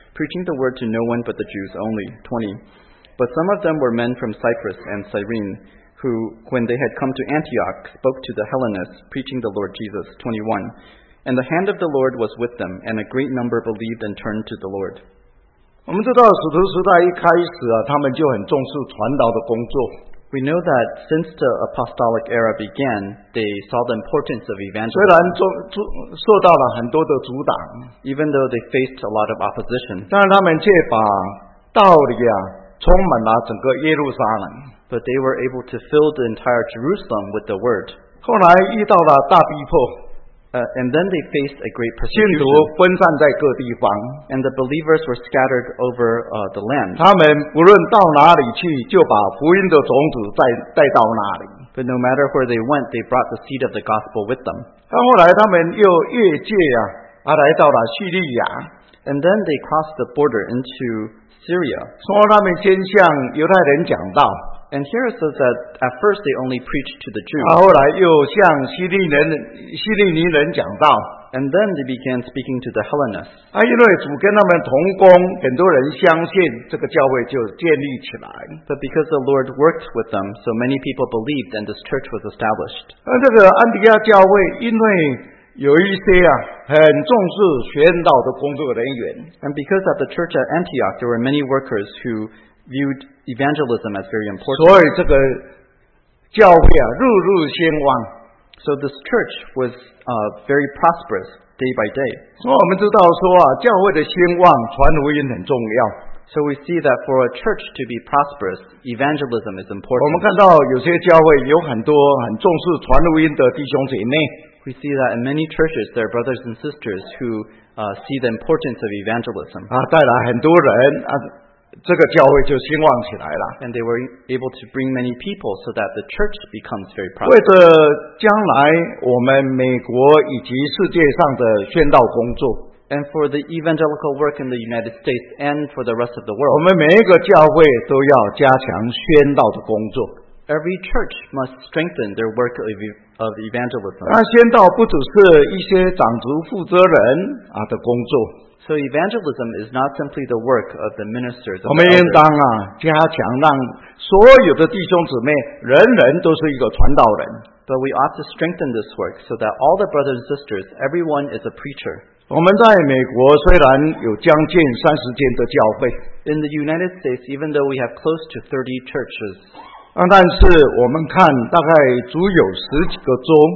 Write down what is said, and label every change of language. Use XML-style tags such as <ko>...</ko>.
<en>Preaching the word to no one but the Jews only. 20. But some of them were men from Cyprus and Cyrene, who, when they had come to Antioch, spoke to the Hellenists, preaching the Lord Jesus. 21. And the hand of the Lord was with them, and a great number believed and turned to the Lord.</en> <zh>我们知道使徒时代一开始啊，他们就很重视传道的工作。</zh> <en>We know that since the apostolic era began, they saw the importance of evangelism.</en> <zh>受到了很多的阻挡,</zh> <en>even though they faced a lot of opposition.</en> <zh>但是他们却把道理啊充满了整个耶路撒冷,</zh> <en>but they were able to fill the entire Jerusalem with the word.</en> <zh>后来遇到了大逼迫,</zh> <en>and then they faced a great persecution.</en> <zh>信徒分散在各地方,</zh> <en>and the believers were scattered over, the land.</en> <zh>他们无论到哪里去，就把福音的种子带到哪里。</zh> <en>But no matter where they went, they brought the seed of the gospel with them.</en> <zh>但后来他们又越界啊，来到了叙利亚。</zh> <en>And then they crossed the border into Syria.</en> <zh>说他们先向犹太人讲道。</zh> <en>And here it says that at first they only preached to the Jews.</en> <zh>后来又向希利尼人讲道。</zh> <en>And then they began speaking to the Hellenists.</en> <zh>因为主跟他们同工，很多人相信，这个教会就建立起来。</zh> <en>But because the Lord worked with them, so many people believed and this church was established.</en> <zh>这个安提阿教会因为有一些啊很重视宣道的工作人员。</zh> <en>And because at the church at Antioch, there were many workers who viewed evangelism as very important.</en> <zh>所以这个教会啊日日兴旺。</zh> <en>So this church was, very prosperous day by day.</en> <zh>所以我们知道说啊教会的兴旺传福音很重要。</zh> <en>So we see that for a church to be prosperous, evangelism is important.</en> <zh>我们看到有些教会有很多很重视传福音的弟兄姐妹。</zh> <en>We see that in many churches there are brothers and sisters who, see the importance of evangelism.</en> <zh>啊带来很多人啊这个教会就兴旺起来了。</zh> <en>And they were able to bring many people so that the church becomes very prosperous.</en> <zh>为着将来我们美国以及世界上的宣道工作。</zh> <en>And for the evangelical work in the United States and for the rest of the world.</en> <zh>我们每一个教会都要加强宣道的工作。</zh> <en>Every church must strengthen their work of evangelism.</en> <zh>那宣道不只是一些长职负责人啊的工作。</zh> <en>So evangelism is not simply the work of the ministers.</en> <zh>我们应当啊加强让所有的弟兄姊妹人人都是一个传道人。</zh> <en>But we ought to strengthen this work so that all the brothers and sisters, everyone is a preacher.</en> <zh>我们在美国虽然有将近三十间的教会。</zh> <en>In the United States, even though we have close to 30 churches.</en> <zh>但是我们看大概足有十几个州。</zh>